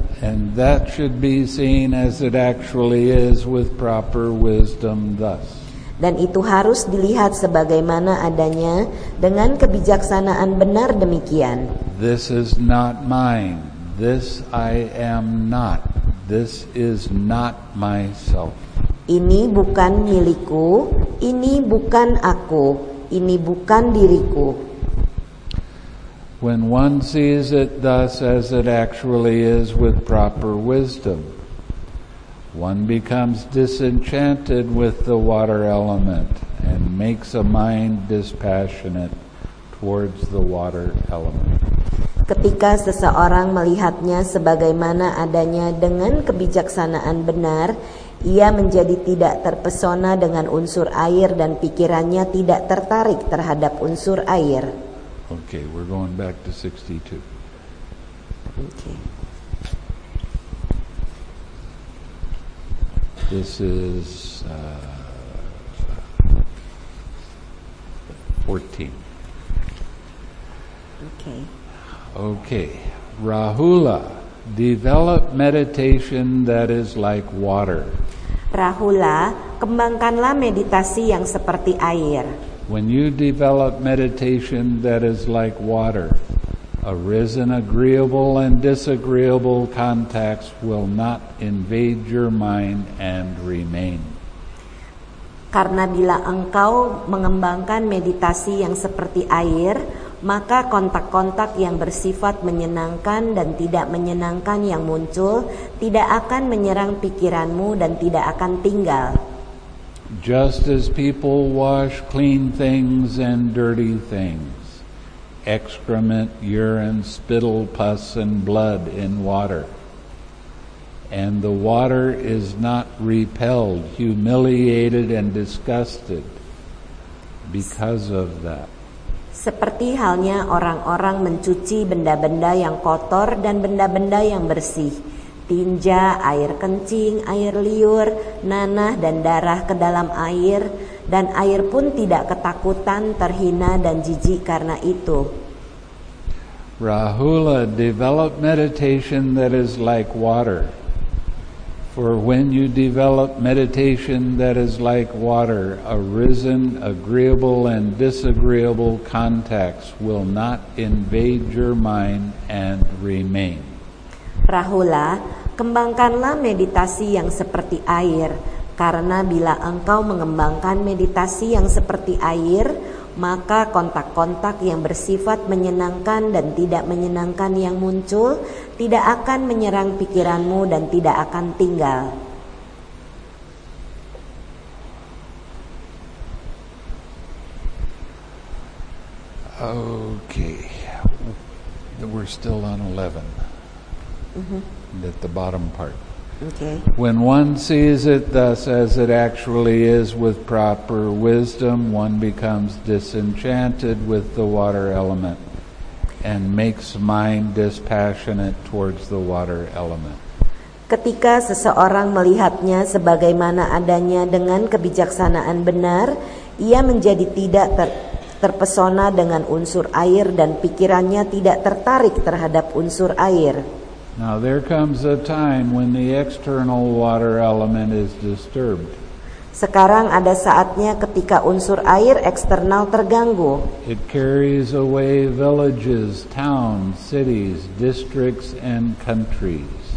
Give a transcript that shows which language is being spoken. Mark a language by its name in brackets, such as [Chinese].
[English] And that should be seen as it actually is with proper wisdom thus. [Indonesian] Dan itu harus dilihat sebagaimana adanya dengan kebijaksanaan benar demikian. [English] This is not mine. This I am not. This is not myself. [Indonesian] Ini bukan milikku. Ini bukan aku. Ini bukan diriku. [English] When one sees it thus as it actually is with proper wisdom, one becomes disenchanted with the water element and makes a mind dispassionate towards the water element. [Indonesian] Ketika seseorang melihatnya sebagaimana adanya dengan kebijaksanaan benar, ia menjadi tidak terpesona dengan unsur air dan pikirannya tidak tertarik terhadap unsur air. [English] Okay, we're going back to 62. Okay. This is 14. Okay. Okay. Rahula, develop meditation that is like water. [Indonesian] Rahula, kembangkanlah meditasi yang seperti air. [English] When you develop meditation that is like water, arisen agreeable and disagreeable contacts will not invade your mind and remain. [Indonesian] Karena bila engkau mengembangkan meditasi yang seperti air, maka kontak-kontak yang bersifat menyenangkan dan tidak menyenangkan yang muncul tidak akan menyerang pikiranmu dan tidak akan tinggal. [English] Just as people wash clean things and dirty things, excrement, urine, spittle, pus, and blood in water. And the water is not repelled, humiliated, and disgusted because of that. [Indonesian] Seperti halnya orang-orang mencuci benda-benda yang kotor dan benda-benda yang bersih, tinja, air kencing, air liur, nanah, dan darah ke dalam air, dan air pun tidak ketakutan, terhina, dan jijik karena itu. [English] Rahula, develop meditation that is like water. For when you develop meditation that is like water, arisen, agreeable, and disagreeable contacts will not invade your mind and remain. [Indonesian] Rahula, kembangkanlah meditasi yang seperti air, karena bila engkau mengembangkan meditasi yang seperti air, maka kontak-kontak yang bersifat menyenangkan dan tidak menyenangkan yang muncul tidak akan menyerang pikiranmu dan tidak akan tinggal. [English] Okay, we're still on 11. Mm-hmm. At the bottom part. Okay. When one sees it thus as it actually is with proper wisdom, one becomes disenchanted with the water element and makes mind dispassionate towards the water element. [Indonesian] Ketika seseorang melihatnya sebagaimana adanya dengan kebijaksanaan benar, ia menjadi tidak terpesona dengan unsur air dan pikirannya tidak tertarik terhadap unsur air. [English] Now there comes a time when the external water element is disturbed. [Indonesian] Sekarang ada saatnya ketika unsur air eksternal terganggu. [English] It carries away villages, towns, cities, districts, and countries.